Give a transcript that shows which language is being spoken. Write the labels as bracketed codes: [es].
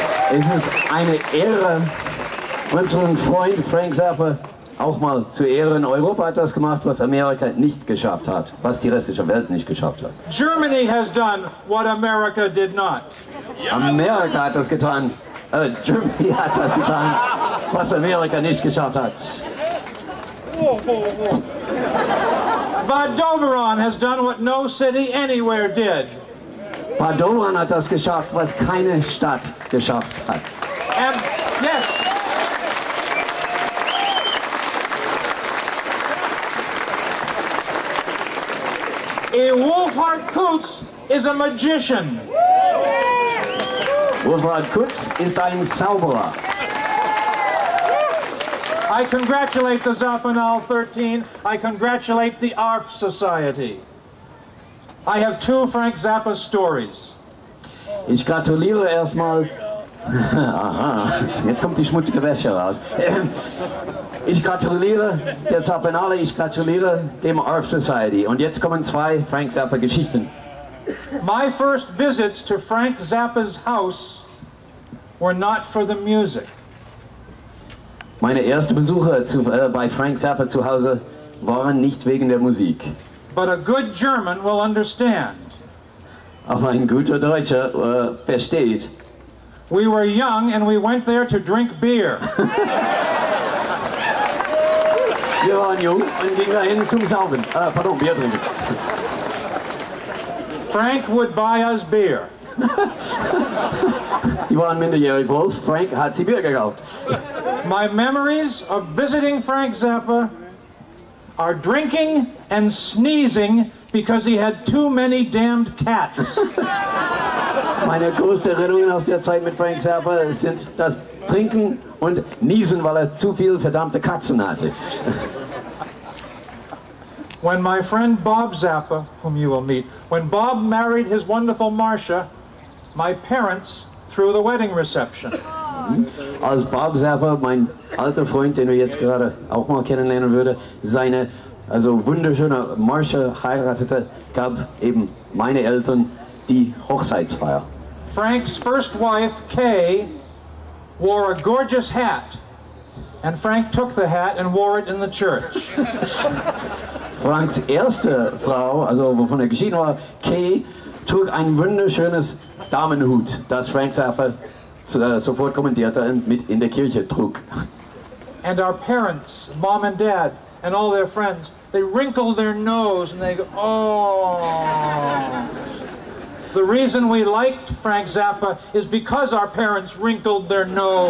[de] Es ist eine Ehre, unseren Freund Frank Zappa auch mal zu ehren. Europa hat das gemacht, was Amerika nicht geschafft hat, was die restliche Welt nicht geschafft hat. [en] Germany has done what America did not. [de] Amerika hat das getan. Germany hat das getan, was Amerika nicht geschafft hat. [en] Bad Doberan has done what no city anywhere did. [de] Bad Doberan hat das geschafft, was keine Stadt geschafft hat. [en] Yes. A Wolfhard Kutz is a magician. [de] Wolfhard Kutz is ein Zauberer. [en] I congratulate the Zappanal 13. I congratulate the ARF Society. I have two Frank Zappa stories. [de] Ich gratuliere erstmal. Aha, jetzt kommt die schmutzige Wäsche raus. Ich gratuliere der Zappanale, ich gratuliere dem ARF Society. Und jetzt kommen zwei Frank Zappa Geschichten. [en] My first visits to Frank Zappa's house were not for the music. [de] Meine erste Besuche bei Frank Zappa zu Hause waren nicht wegen der Musik. [en] But a good German will understand. [de] Aber ein guter Deutscher versteht. [en] We were young and we went there to drink beer. [de] Wir waren jung und gingen dahin zum Saufen. Pardon, Bier trinken. [en] Frank would buy us beer. [de] Die waren minderjährig, Wolf. Frank hat sie Bier gekauft. [en] My memories of visiting Frank Zappa are drinking and sneezing because he had too many damned cats. [de] Meine größten Erinnerungen aus der Zeit mit Frank Zappa sind das Trinken und Niesen, weil er zu viele verdammte Katzen hatte. [en] When my friend Bob Zappa, whom you will meet, when Bob married his wonderful Marcia, my parents threw the wedding reception. [de] Als Bob Zappa, mein alter Freund, den wir jetzt gerade auch mal kennenlernen würde, seine also wunderschöne Marcia heiratete, gab eben meine Eltern die Hochzeitsfeier. [en] Frank's first wife, Kay, wore a gorgeous hat, and Frank took the hat and wore it in the church. [de] Franks erste Frau, also wovon er geschieden war, Kay, trug ein wunderschönes Damenhut, das Frank Zappa sofort kommentierte und mit in der Kirche trug. [en] And our parents, mom and dad, and all their friends, they wrinkle their nose and they go, oh. The reason we liked Frank Zappa is because our parents wrinkled their nose.